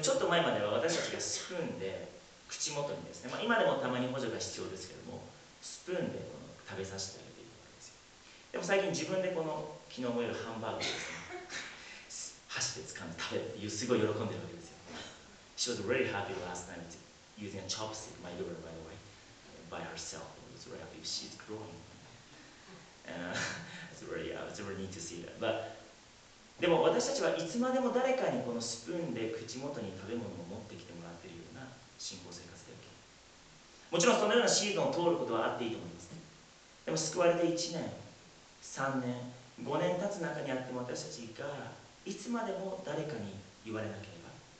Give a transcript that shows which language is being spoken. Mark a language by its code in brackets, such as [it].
[ja] でもちょっと前までは私たちがスプーンで口元にですね、まあ、今でもたまに補助が必要ですけども、スプーンでこの食べさせてあげているわけですよ。でも最近自分でこの昨日もよるハンバーグをですね、箸で掴んで食べるっていう、すごい喜んでるわけですよ。 [en] She was really happy last night using a chopstick, my daughter by the way, by herselfShe's growing. It's really neat to see that. [ja] But, でも私たちはいつまでも誰かにこのスプーンで口元に食べ物を持ってきてもらっているような信仰生活で OK。もちろんそのようなシーズンを通ることはあっていいと思いますね。でも救われて1年、3年、5年経つ中にあっても、私たちがいつまでも誰かに言われなければ、